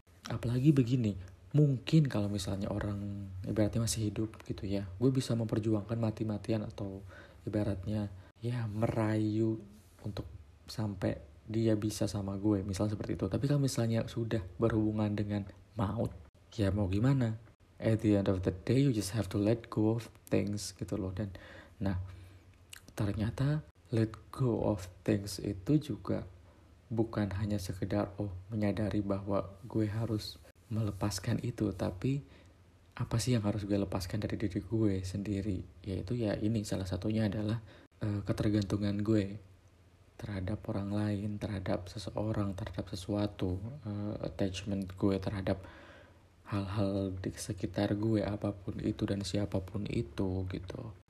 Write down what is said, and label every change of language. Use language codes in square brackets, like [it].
[id] Apalagi begini, mungkin kalau misalnya orang ibaratnya masih hidup gitu ya, gue bisa memperjuangkan mati-matian atau ibaratnya ya merayu untuk sampai dia bisa sama gue, misalnya seperti itu. Tapi kalau misalnya sudah berhubungan dengan maut, ya mau gimana? [en] At the end of the day, you just have to let go of things [id] gitu loh. Dan nah, ternyata [en] let go of things [id] itu juga bukan hanya sekedar oh menyadari bahwa gue harus melepaskan itu, tapi apa sih yang harus gue lepaskan dari diri gue sendiri? Yaitu ya ini salah satunya adalah ketergantungan gue terhadap orang lain, terhadap seseorang, terhadap sesuatu, attachment gue terhadap hal-hal di sekitar gue, apapun itu dan siapapun itu gitu.